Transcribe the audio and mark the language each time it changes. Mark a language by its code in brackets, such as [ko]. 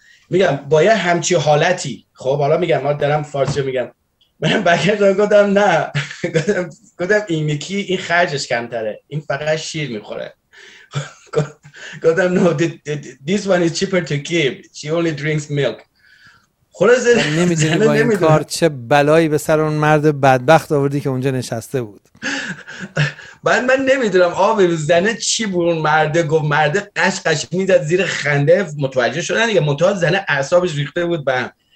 [fa] میگم با یه همچی حالتی، خب حالا میگم ما دارم فارسی رو میگم، من بگرد رو گفتم نه، گفتم این میکی این خرجش کمتره، این فقط شیر میخوره. گفتم نه، [en] this one is cheaper to keep, she only drinks milk. [fa] نمیدونی با این کار چه بلایی به سر اون مرد بدبخت آوردی که اونجا نشسته بود. من نمیدونم آب زنه چی بود، اون مرده گفت، مرده قشقش میزد زیر خنده، متوجه شدن دیگه، منتهی زنه اعصابش ریخته بود به هم.